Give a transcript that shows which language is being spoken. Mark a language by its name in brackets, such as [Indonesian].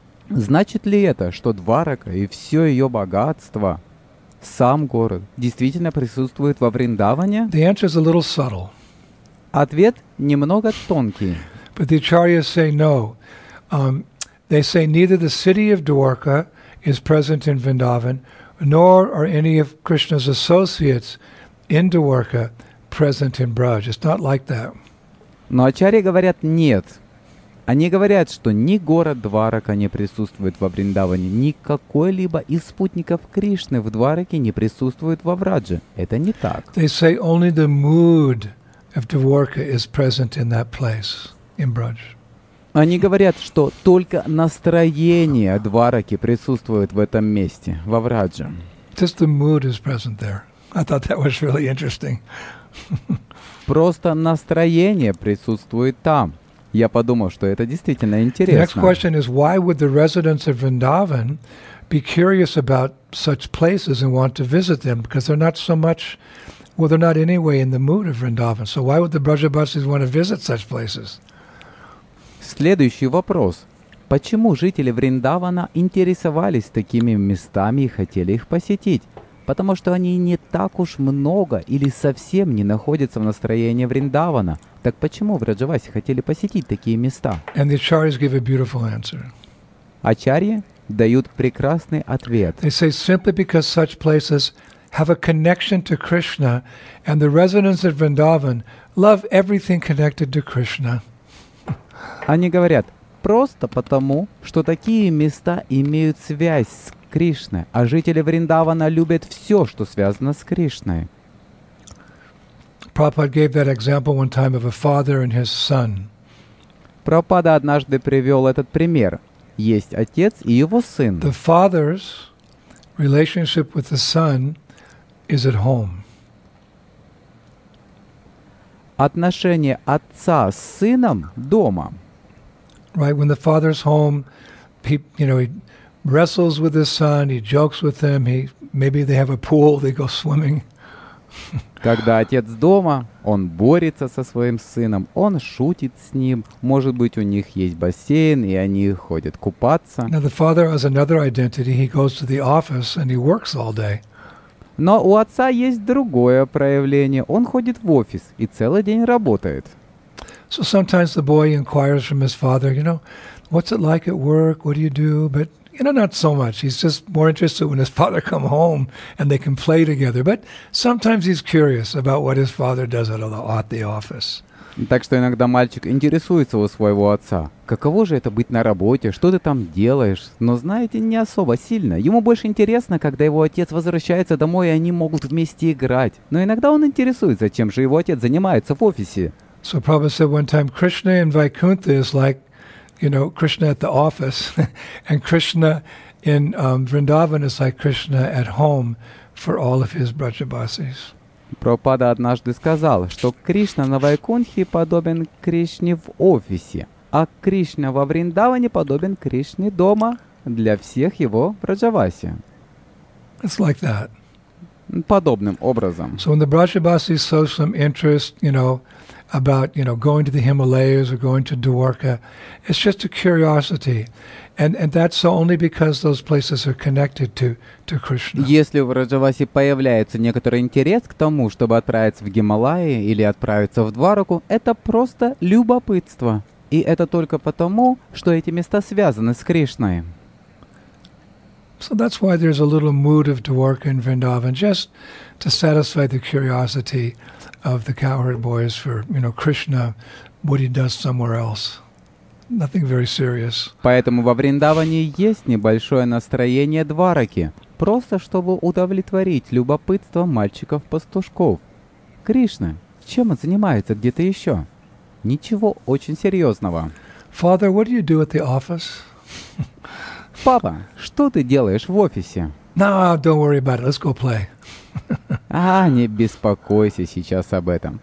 [Russian] Значит ли это, что Дварака и все ее богатство, сам город, действительно присутствует во Вриндаване? [English] The answer is a little subtle. [Russian] Ответ немного тонкий. [English] But the acharyas say no. They say neither the city of Dwarka is present in Vrindavan, nor are any of Krishna's associates in Dwarka present in Braj. It's not like that. [Russian] Но ачарьи говорят нет. Они говорят, что ни город Дварака не присутствует во Вриндаване, ни какой-либо из спутников Кришны в Двараке не присутствует во Врадже. Это не так. [English] They say only the mood of Dwarka is present in that place, in Braj. [Russian] Они говорят, что только настроение Двараки присутствует в этом месте, во Врадже. [English] Just the mood is present there. I thought that was really interesting. [Russian] Просто настроение присутствует там. Я подумал, что это действительно интересно. [English] The next question is, why would the residents of Vrindavan be curious about such places and want to visit them? Because they're not so much, well, they're not anyway in the mood of Vrindavan. So why would the Brajabasis want to visit such places? [Russian] Следующий вопрос. Почему жители Вриндавана интересовались такими местами и хотели их посетить? потому что они не так уж много или совсем не находятся в настроении Вриндавана. Так почему в Раджавасе хотели посетить такие места? [English] And the Acharyas give a beautiful answer. [Russian] Ачарьи дают прекрасный ответ. [English] They say simply because such places have a connection to Krishna, and the residents of Vrindavan love everything connected to Krishna. [Russian] Они говорят, просто потому, что такие места имеют связь с Кришной, а жители Вриндавана любят все, что связано с Кришной. [English] Prabhupada gave that example one time of a father and his son. [Russian] Прабхупада однажды привел этот пример. Есть отец и его сын. [English] The father's relationship with the son is at home. [Russian] Отношение отца с сыном дома. [English] Right, when the father's home, he wrestles with his son, he jokes with him, maybe they have a pool, they go swimming. [Russian] Когда отец дома, он борется со своим сыном, он шутит с ним, может быть, у них есть бассейн, и они ходят купаться. [English] Now the father has another identity, he goes to the office and he works all day. [Russian] Но у отца есть другое проявление, он ходит в офис и целый день работает. [English] So sometimes the boy inquires from his father, what's it like at work, what do you do, but not so much. He's just more interested when his father comes home and they can play together. But sometimes he's curious about what his father does at the office. [Russian] Так что иногда мальчик интересуется у своего отца. Каково же это быть на работе? Что ты там делаешь? Но знаете, не особо сильно. Ему больше интересно, когда его отец возвращается домой, и они могут вместе играть. Но иногда он интересуется, чем же его отец занимается в офисе. [English] So Prabhupada said one time, Krishna in Vaikuntha is like, Krishna at the office, and Krishna in Vrindavan is like Krishna at home for all of his brajabasis. [Russian] Прабхупада однажды сказал, что Кришна на Вайкунтхе подобен Кришне в офисе, а Кришна во Вриндаване подобен Кришне дома для всех его браджаваси. [English] It's like that. [Russian] Подобным образом. [English] So when the brajabasis shows some interest, about going to the Himalayas or going to Dwarka, it's just a curiosity. And that's only because those places are connected to Krishna. [Russian] Если в Раджавасе появляется некоторый интерес к тому, чтобы отправиться в Гималаи или отправиться в Двараку, это просто любопытство. И это только потому, что эти места связаны с Кришной. [English] So that's why there's a little mood of Dwarka and Vrindavan, just to satisfy the curiosity of the cowherd boys for, Krishna, what he does somewhere else. Nothing very serious. [Russian] Поэтому во Вриндаване есть небольшое настроение Двараки, просто чтобы удовлетворить любопытство мальчиков-пастушков. Кришна, чем он занимается где-то еще? Ничего очень серьезного. [English] Father, what do you do at the office? [Russian] Папа, что ты делаешь в офисе? [English] No, don't worry about it. Let's go play. [Russian] Не беспокойся сейчас об этом.